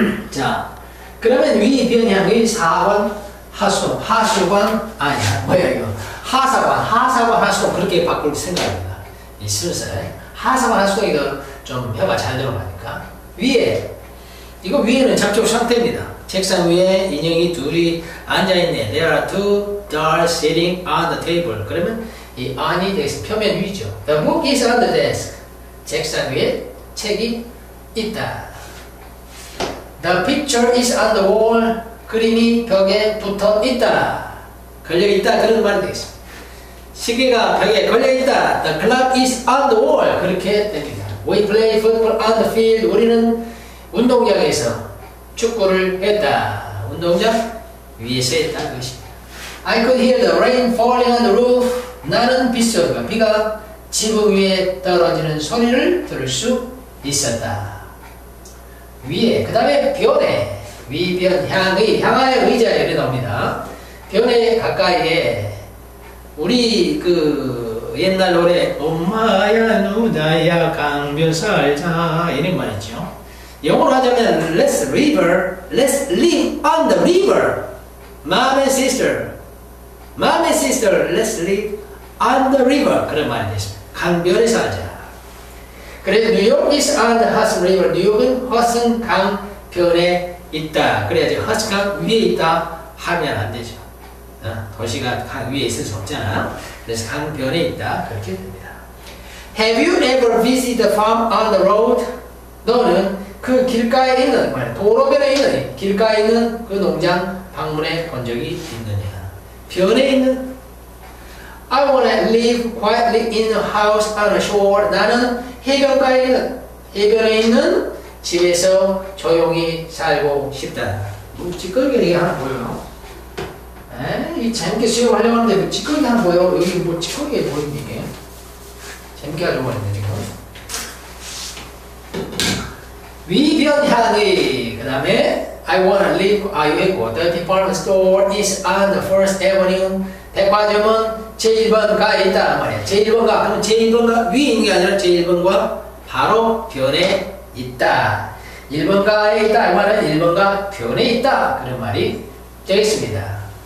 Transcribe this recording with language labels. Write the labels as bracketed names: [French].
[Korean] 자, 그러면 위변향의 사관 하수도, 하수관 아니야 뭐야 이거 하사관, 하사관 하수도 그렇게 바꿀 생각입니다. 이 슬슬 하사관 하수도 이거 좀 해봐. 잘 들어가니까 위에 이거 위에는 접촉 상태입니다. 책상 위에 인형이 둘이 앉아있네. [English] There are two dolls sitting on the table. [Korean] 그러면 이 on이 되겠습니다. 표면 위죠. [English] The book is on the desk. [Korean] 책상 위에 책이 있다. [English] The picture is on the wall. [Korean] 그림이 벽에 붙어 있다. 걸려 있다. 그런 말이 되겠습니다. 시계가 벽에 걸려 있다. [English] The clock is on the wall. [Korean] 그렇게 됩니다. [English] We play football on the field. [Korean] 우리는 운동장에서 축구를 했다. 운동장 위에서 했다. 그것입니다. [English] I could hear the rain falling on the roof. [Korean] 나는 빗소리가 비가 지붕 위에 떨어지는 소리를 들을 수 있었다. 위에, 그 다음에 변에 위변 향의 향하여 의지하여 이렇게 나옵니다. 변에 가까이에 우리 그 옛날 노래 엄마야 누나야 강변 살자 이런 말 있죠. 영어로 하자면 [English] Let's river, let's live on the river. Mommy sister, let's live on the river. [Korean] 그런 말이 됐습니다. 강변에 살자. [English] 그래, New York is on the Hudson River. [Korean] 뉴욕은 허슨 강변에 있다. 그래야지 허슨 강 위에 있다 하면 안 되죠. 도시가 강 위에 있을 수 없잖아. 그래서 강변에 있다 그렇게 됩니다. [English] Have you ever visited a farm on the road? [Korean] 너는 그 길가에 있는 도로변에 있는 길가에 있는 그 농장 방문해 본 적이 있느냐? 변에 있는 [English] I wanna live quietly in a house on the shore. [Korean] 나는 해변가에 있는 해변에 있는 집에서 조용히 살고 싶다. 뭐 찌꺼기 얘기 하나 보여요? 이 재밌게 수영하려고 하는데 뭐 찌꺼기 하나 보여? 여기 뭐 찌꺼기 보이는 이게? 재밌게 하려고 하는데 지금. 위변향의 그 다음에 [English] I wanna live. [Korean] 아 이거 [English] The department store is on the First Avenue. [Korean] 백화점은 제1번가에 있다는 말이야. 제1번가 그럼 제1번가 위에 있는 게 아니라 제1번가 바로 변에 있다. 1번가에 있다 이 말은 1번가 변에 있다 그런 말이 되겠습니다.